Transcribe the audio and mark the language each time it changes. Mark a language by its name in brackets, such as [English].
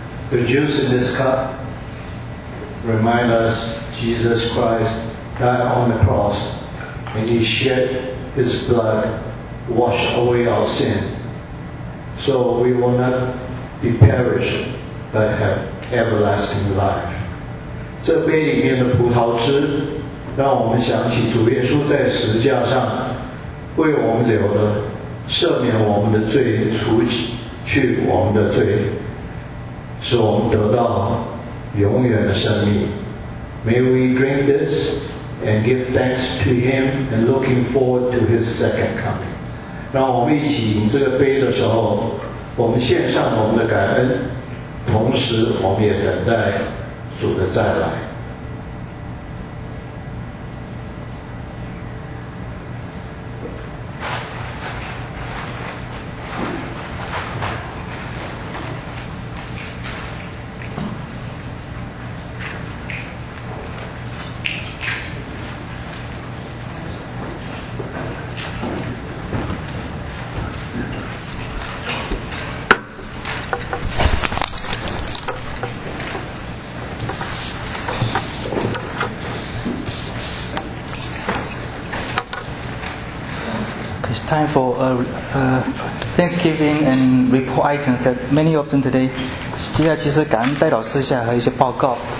[English] The juice in this cup remind us Jesus Christ died on the cross and he shed his blood, washed away our sin. So we will not be perished, but have everlasting life. [Chinese] 这杯里面的葡萄汁让我们想起主耶稣在十字架上为我们流的，赦免我们的罪，除去我们的罪，使我们得到永远的生命。 [English] May we drink this and give thanks to him and looking forward to his second coming. [Chinese] 让我们一起饮这个杯的时候，我们献上我们的感恩，同时我们也等待主的再来。 [English] Time for Thanksgiving and report items that many of them today. [Chinese] 接下来其实感恩代祷事项和一些报告。